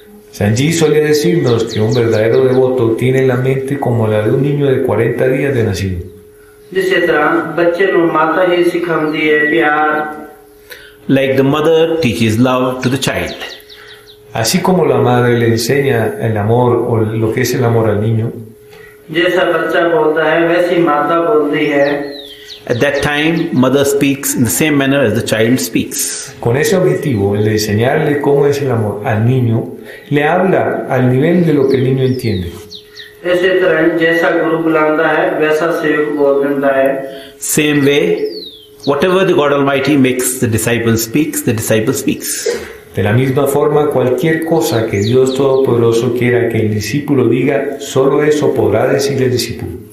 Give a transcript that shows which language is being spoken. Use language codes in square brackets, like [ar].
[es] Sanji solía decirnos que un verdadero devoto tiene la mente como la de un niño de 40 días de nacido. [pa] Dice tran, bacche no mata hi sikhandi hai pyar. [en] Like the mother teaches love to the child. [es] Así como la madre le enseña el amor o lo que es el amor al niño. [hi] Jaisa bachcha bolta hai waisi mata bolti hai. [en] At that time mother speaks in the same manner as the child speaks. [es] Con ese objetivo el de enseñarle cómo es el amor al niño le habla al nivel de lo que el niño entiende. [pa] Ese tarah jaisa guru bulanda hai waisa sevak bol denda hai. [en] Same way Whatever the God Almighty makes the disciple speaks, the disciple speaks. [es] De la misma forma, cualquier cosa que Dios Todopoderoso quiera que el discípulo diga, solo eso podrá decir el discípulo.